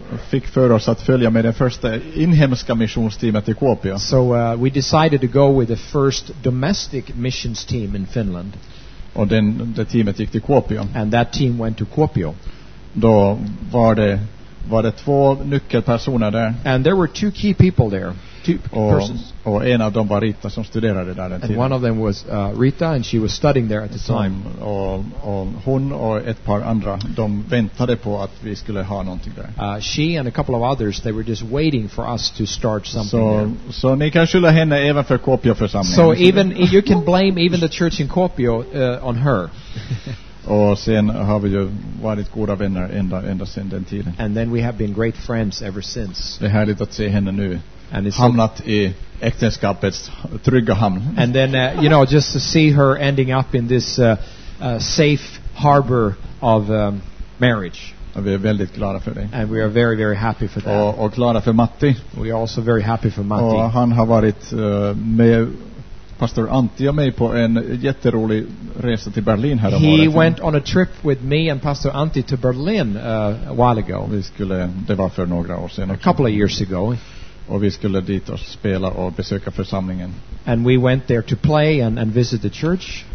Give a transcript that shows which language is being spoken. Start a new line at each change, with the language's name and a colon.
Swedish: Fick för oss att följa med det första inhemska missionsteamet i Kuopio.
English: So we decided to go with the first domestic missions team in Finland.
Swedish: Och den det teamet gick till Kuopio.
English: And that team went to Kuopio.
Swedish: Då var det två nyckelpersoner där.
English: And there were two key people there. Two persons.
Swedish: Och en av dem var Rita som studerade där den tiden.
English: And one of them was Rita and she was studying there at the time.
Swedish: Och hon och ett par andra, de väntade på att vi skulle ha någonting där.
English: She and a couple of others, they were just waiting for us to start something there.
Swedish: So ni kan skylla henne även för Kuopio för samlingen.
English: So even you can blame even the church in Kuopio on her.
Swedish: Och sen har vi ju varit goda vänner ända sedan den tiden.
English: And then we have been great friends ever since.
Swedish: Det är härligt att se henne nu.
English: And it's
Swedish: hamnat i äktenskapets trygga hamn.
English: And then just to see her ending up in this safe harbor of marriage.
Swedish: Och vi är väldigt glada för det.
English: And we are very very happy for that.
Swedish: Och glada för Matti.
English: We are also very happy for Matti.
Swedish: Och han har varit med pastor Antti och mig på en jätterolig resa till Berlin här.
English: He went on a trip with me and Pastor Antti to Berlin a while ago.
Swedish: Det var för några år sedan.
English: A couple of years ago.
Swedish: Och vi skulle dit och spela och besöka församlingen.
English: And we went there to play and visit the church.